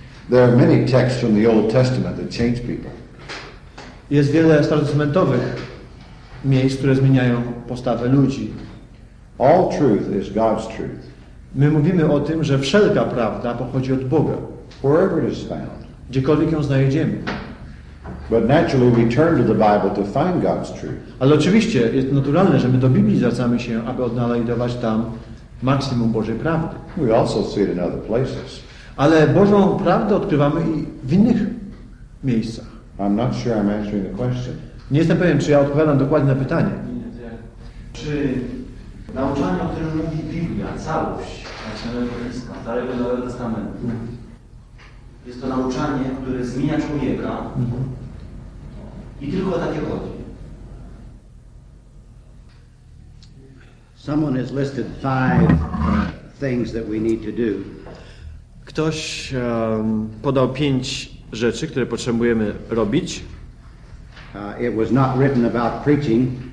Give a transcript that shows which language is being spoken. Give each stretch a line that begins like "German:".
English: There are many texts from the Old Testament that change people.
Polish: Jest wiele starotestamentowych miejsc, które zmieniają postawę ludzi.
English: All truth is God's truth.
Polish: My mówimy o tym, że wszelka prawda pochodzi od Boga.
English: Wherever it is found.
Polish: Gdziekolwiek ją znajdziemy.
English: But naturally we turn to the Bible to find God's truth.
Polish: Ale oczywiście jest naturalne, że my do Biblii zwracamy się, aby odnaleźć tam maksimum Bożej prawdy.
English: We also see it in other places.
Polish: Ale Bożą prawdę odkrywamy i w innych miejscach.
English: I'm not sure I'm answering the question.
Polish: Nie jestem pewien, czy ja odpowiadam dokładnie na pytanie. Czy nauczanie, o którym mówi Biblia, całość Starego i Nowego Testamentu, jest to nauczanie, które zmienia człowieka i tylko o takie chodzi.
English: Someone has listed five things that we need to do.
Polish: Ktoś podał pięć rzeczy, które potrzebujemy robić.
English: It was not written about preaching.